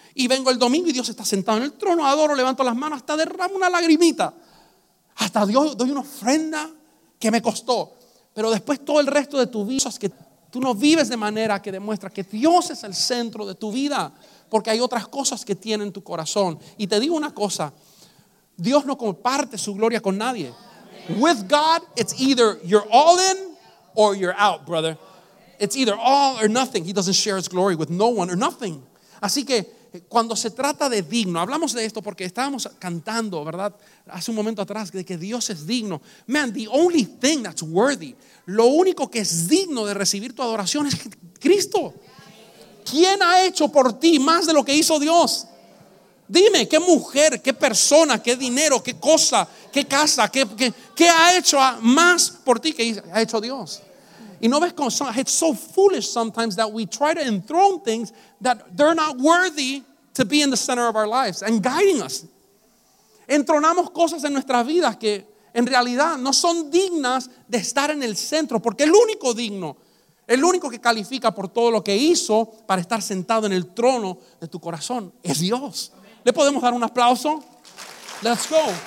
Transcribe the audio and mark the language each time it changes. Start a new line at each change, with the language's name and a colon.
Spanish: Y vengo el domingo y Dios está sentado en el trono, adoro, levanto las manos, hasta derramo una lagrimita. Hasta Dios doy una ofrenda que me costó. Pero después todo el resto de tu vida, es que tú no vives de manera que demuestra que Dios es el centro de tu vida, porque hay otras cosas que tienen tu corazón. Y te digo una cosa, Dios no comparte su gloria con nadie.
English: With God, it's either you're all in or you're out, brother. It's either all or nothing. He doesn't share his glory with no one or nothing.
Spanish: Así que cuando se trata de digno, hablamos de esto porque estábamos cantando, ¿verdad? Hace un momento atrás, de que Dios es digno.
English: Man, the only thing that's worthy,
Spanish: lo único que es digno de recibir tu adoración es Cristo. ¿Quién ha hecho por ti más de lo que hizo Dios? Dime, ¿qué mujer, qué persona, qué dinero, qué cosa, qué casa, qué ha hecho más por ti que ha hecho Dios? Y no ves cómo,
English: it's so foolish sometimes that we try to enthrone things that they're not worthy to be in the center of our lives and guiding us.
Spanish: Entronamos cosas en nuestras vidas que en realidad no son dignas de estar en el centro, porque el único digno, el único que califica por todo lo que hizo para estar sentado en el trono de tu corazón es Dios. ¿Le podemos dar un aplauso?
English: Let's go.